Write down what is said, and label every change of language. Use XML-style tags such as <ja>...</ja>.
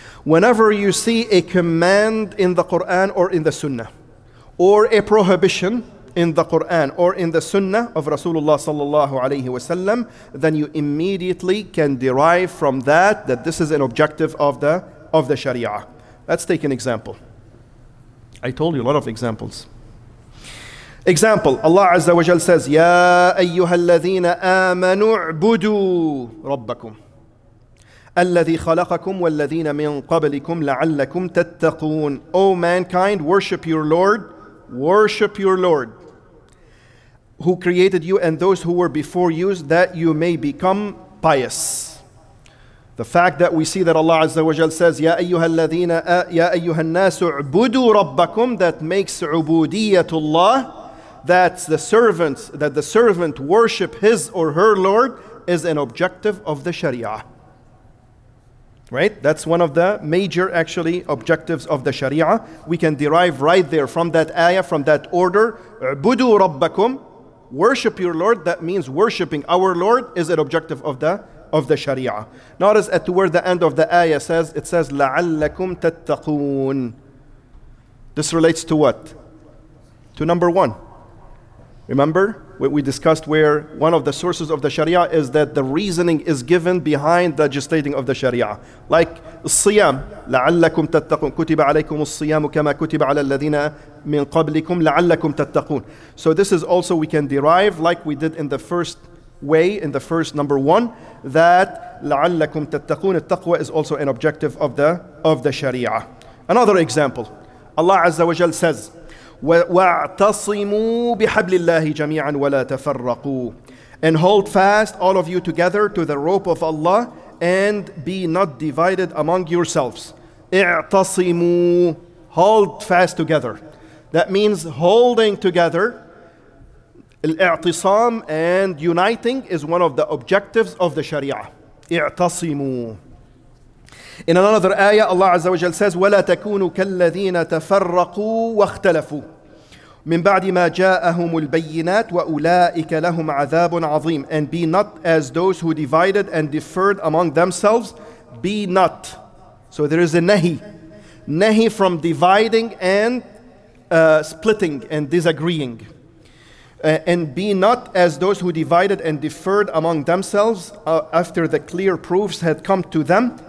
<en>Whenever you see a command in the Quran or in the Sunnah, or a prohibition in the Quran or in the Sunnah of Rasulullah sallallahu alayhi wa sallam, then you immediately can derive from that that this is an objective of the Sharia. Let's take an example. I told you a lot of examples. Example, Allah Azza wa Jal says,</en> <ar>يَا أَيُّهَا الَّذِينَ آمَنُوا اعْبُدُوا رَبَّكُمْ الَّذِي خَلَقَكُمْ وَالَّذِينَ مِنْ قَبْلِكُمْ لَعَلَّكُمْ تَتَّقُونَ.</ar> <en>O mankind, worship your Lord. Worship your Lord who created you and those who were before you, that you may become pious. The fact that we see that Allah Azza wa Jal says,</en> <ar>يَا أَيُّهَا الَّذِينَ يَا أَيُّهَا النَّاسُ اعْبُدُوا رَبَّكُمْ,</ar> <en>that makes</en> <ar>عُبُودِيَّةُ اللَّهِ,</ar> <en>that's the servants, that the servant worship his or her Lord, is an objective of the Sharia. Right? That's one of the major, actually, objectives of the Sharia. We can derive right there from that ayah, from that order,</en> <ar>عُبُدُوا رَبَّكُمْ,</ar> <en>worship your Lord, that means worshiping our Lord is an objective of the Sharia. Notice at toward the end of the ayah says, it says,</en> <ar>لَعَلَّكُمْ تَتَّقُونَ.</ar> <en>This relates to what? To number one. Remember what we discussed, where one of the sources of the Sharia is that the reasoning is given behind the legislating of the Sharia. Like</en> <ar>الصيام, لعلكم تتقون, كتب عليكم الصيام كما كتب على الذين من قبلكم لعلكم تتقون.</ar> <en>So this is also, we can derive, like we did in the first way, in the first number one, that</en> <ar>لعلكم تتقون,</ar> <en>التقوى is also an objective of the Sharia. Another example, Allah Azza wa Jal says,</en> <ar>وَاعْتَصِمُوا بِحَبْلِ اللَّهِ جَمِيعًا وَلَا تَفَرَّقُوا,</ar> <en>and hold fast all of you together to the rope of Allah and be not divided among yourselves.</en> <ar>اِعْتَصِمُوا,</ar> <en>hold fast together. That means holding together. الاعتصام and uniting is one of the objectives of the Sharia.</en> <ar>اِعْتَصِمُوا.</ar> <en>In another ayah, Allah Azza wa Jal says,</en> <ar>وَلَا تَكُونُوا كَالَّذِينَ تَفَرَّقُوا وَاخْتَلَفُوا مِنْ بَعْدِ مَا جَاءَهُمُ الْبَيِّنَاتِ وَأُولَٰئِكَ لَهُمْ عَذَابٌ عَظِيمٌ.</ar> <en>And be not as those who divided and differed among themselves. Be not. So there is a nahi. Nahi from dividing and splitting and disagreeing. And be not as those who divided and differed among themselves after the clear proofs had come to them.</en>